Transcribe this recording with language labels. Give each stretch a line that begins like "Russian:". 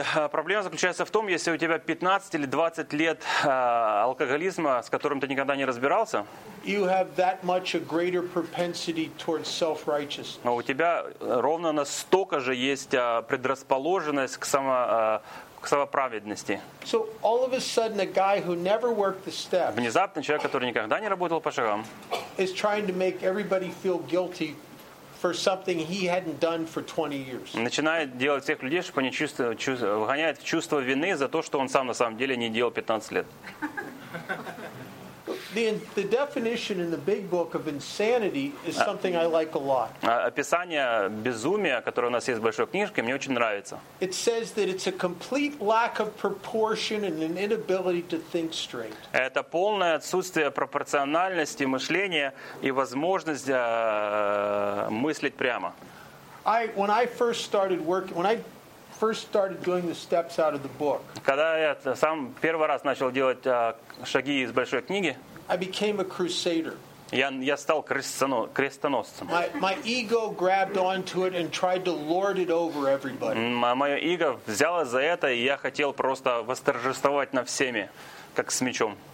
Russian: Проблема заключается в том, если у тебя 15 или 20 лет алкоголизма, с которым ты никогда не разбирался,
English: you have that much a greater propensity towards self-righteousness.
Russian: Но у тебя ровно настолько же есть предрасположенность к самоправедности.
English: So all of a sudden a guy who never worked the steps.
Russian: Внезапно человек, который никогда не работал по шагам,
English: is trying to make everybody feel guilty for something he hadn't done for 20 years.
Russian: Начинает делать всех людей, чтобы они вгоняет в чувство вины за то, что он сам на самом деле не делал 15 лет.
English: The definition in the big book of insanity is something I like a lot.
Russian: Описание безумия, которое у нас есть в большой книжке, мне очень нравится.
English: It says that it's a complete lack of proportion and an inability to think straight.
Russian: Это полное отсутствие пропорциональности мышления и возможность мыслить прямо.
English: When I first started doing the steps out of the book.
Russian: Когда я сам первый раз начал делать шаги из большой книги,
English: I became a crusader.
Russian: Я стал крестоносцем.
English: My ego grabbed onto it and tried to lord it over everybody.
Russian: Моё эго взяло за это, и я хотел просто восторжествовать над всеми, как с мечом.